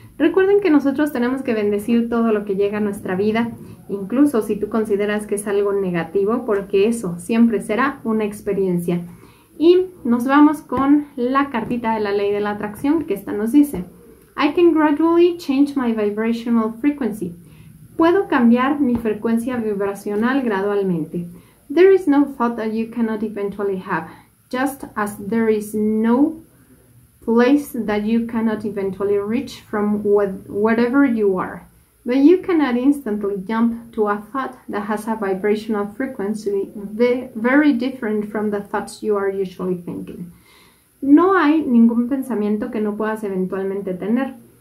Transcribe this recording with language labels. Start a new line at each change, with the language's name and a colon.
Spanish: Recuerden que nosotros tenemos que bendecir todo lo que llega a nuestra vida, incluso si tú consideras que es algo negativo, porque eso siempre será una experiencia. Y nos vamos con la cartita de la ley de la atracción, que esta nos dice:
English: I can gradually change my vibrational frequency.
Spanish: Puedo cambiar mi frecuencia vibracional gradualmente.
English: There is no thought that you cannot eventually have. Just as there is no place that you cannot eventually reach from wherever you are. But you cannot instantly jump to a thought that has a vibrational frequency very different from the thoughts you are usually thinking.
Spanish: No hay ningún pensamiento que no puedas eventualmente tener.